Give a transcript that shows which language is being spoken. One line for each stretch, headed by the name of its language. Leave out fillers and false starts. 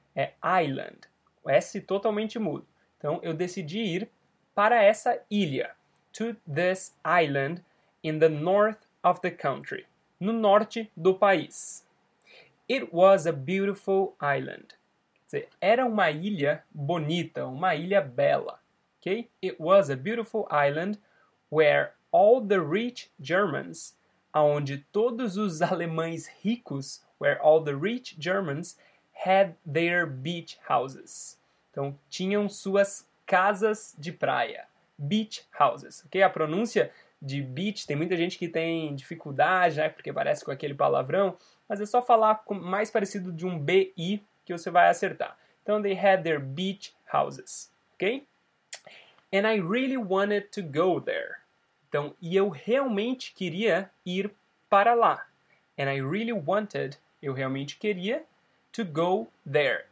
Portuguese: É island, o S totalmente mudo. Então, eu decidi ir para essa ilha,
English: to this island in the north of the country,
Portuguese: no norte do país.
English: It was a beautiful island.
Portuguese: Quer dizer, era uma ilha bonita, uma ilha bela, ok?
English: It was a beautiful island where all the rich Germans,
Portuguese: aonde todos os alemães ricos,
English: where all the rich Germans had their beach houses.
Portuguese: Então, tinham suas casas de praia,
English: beach houses,
Portuguese: ok? A pronúncia de beach, tem muita gente que tem dificuldade, né? Porque parece com aquele palavrão, mas é só falar mais parecido de um B-I que você vai acertar.
English: Então, they had their beach houses, ok? And I really wanted to go there.
Portuguese: Então, e eu realmente queria ir para lá.
English: And I really wanted,
Portuguese: eu realmente queria,
English: to go there.